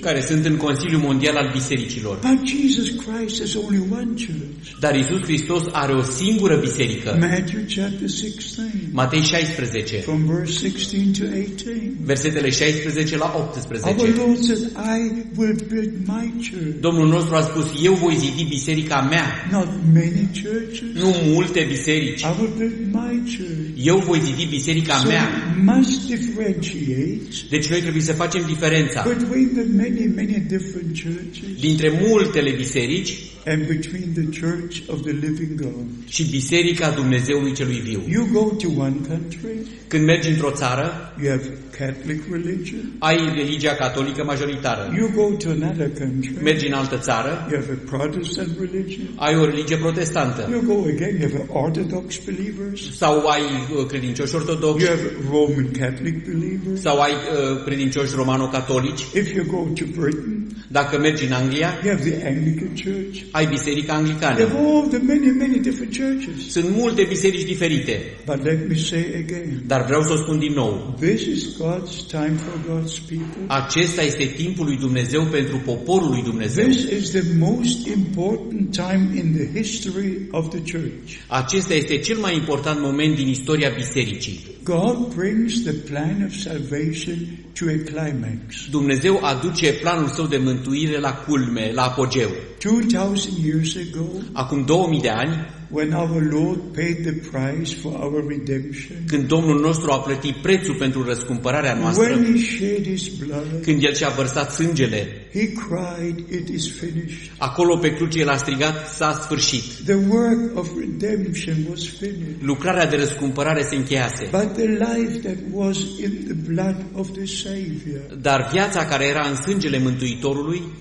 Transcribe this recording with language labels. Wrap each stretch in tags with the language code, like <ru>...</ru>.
<ro>Care sunt în Consiliul Mondial al Bisericilor.</ro> <en>But Jesus Christ is only one church.</en> <ro>Dar Iisus Hristos are o singură biserică.</ro> <en>Matthew chapter 16.</en> <ro>Matei 16.</ro> <en>From verse 16 to 18.</en> <ro>Versetele 16 la 18.</ro> <en>Our Lord said, I will build my church.</en> <ro>Domnul nostru a spus, eu voi zidi biserica mea.</ro> <en>Not many churches.</en> <ro>Nu multe biserici.</ro> <en>I will build my church.</en> <ro>Eu voi zidi biserica so mea.</ro> <en>So much differentiate.</en> <ro>Deci noi trebuie să facem diferența.</ro> <en>Between the many, many different churches.</en> <ro>Dintre multele biserici.</ro> <en>And between the church of the living God.</en> <ro>Și biserica Dumnezeului celui viu.</ro> <en>You go to one country.</en> <ro>Când mergi într-o țară,</ro> <en>you have Catholic religion.</en> <ro>Ai religia catolică majoritară.</ro> <en>You go to another country.</en> <ro>Mergi în altă țară,</ro> <en>you have a Protestant religion.</en> <ro>Ai o religie protestantă.</ro> <en>You go again, you have Orthodox believers.</en> <ro>Sau ai credincioși ortodoxi.</ro> <en>You have Roman Catholic believers.</en> <ro>Sau ai credincioși romano-catolici.</ro> <en>If you go to Britain,</en> <ro>dacă mergi în Anglia,</ro> <en>you have the Anglican church.</en> <ro>Ai biserica anglicană.</ro> <en>There are the many, many different churches.</en> <ro>Sunt multe biserici diferite.</ro> <en>But let me say again.</en> <ro>Dar vreau să o spun din nou.</ro> <en>This is God's time for God's people.</en> <ro>Acesta este timpul lui Dumnezeu pentru poporul lui Dumnezeu.</ro> <en>This is the most important time in the history of the church.</en> <ro>Acesta este cel mai important moment din istoria bisericii.</ro> <en>God brings the plan of salvation to a climax.</en> <ro>Dumnezeu aduce planul său de mântuire la culme, la apogeu.</ro> <en>2000 years ago,</en> <ro>acum 2000 de ani,</ro> <en>when our Lord paid the price for our redemption,</en> <ro>când Domnul nostru a plătit prețul pentru răscumpărarea noastră,</ro> <en>when he shed his blood,</en> <ro>când el și-a vărsat sângele,</ro> <en>he cried, it is finished.</en> <ro>Acolo pe cruce el a strigat, s-a sfârșit.</ro> <en>The work of redemption was finished.</en> <ro>Lucrarea de răscumpărare se încheiase.</ro> <en>But the life that was in the blood of the Savior,</en> <ro>dar viața care era în sângele Mântuitorului,</ro>